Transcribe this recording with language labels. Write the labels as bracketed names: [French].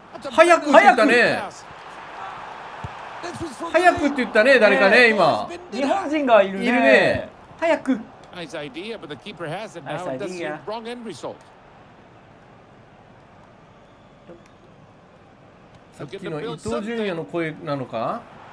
[Japanese] 早く打ったね、早くって言ったね、誰かね、今日本人がいるね、いるね、早く、 [English] Nice idea, but the keeper has it now. Nice idea. That's the wrong end result. [Japanese] さっきの伊藤純也の声なのか？